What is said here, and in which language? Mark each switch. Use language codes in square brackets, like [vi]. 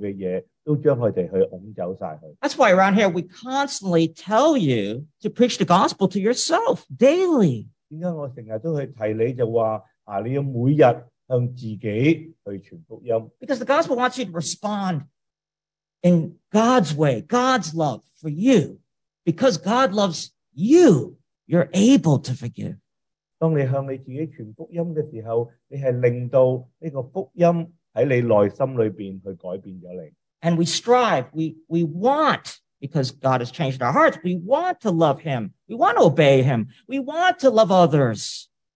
[zh] 就是说将在你内心里面本来这个福音所做的事都将他们去拱走了。 [en] That's why around here we constantly tell you to preach the gospel to yourself daily. [zh] 为什么我经常都会提你就说，你要每日向自己去传福音。 [en] Because the gospel wants you to respond in God's way, God's love for you. Because God loves you, you're able to forgive. [zh] 当你向你自己传福音的时候，你是令到这个福音在你内心里面去改变了你。 [en] And we strive, we want, because God has changed our hearts, we want to love Him, we want to obey Him, we want to love others.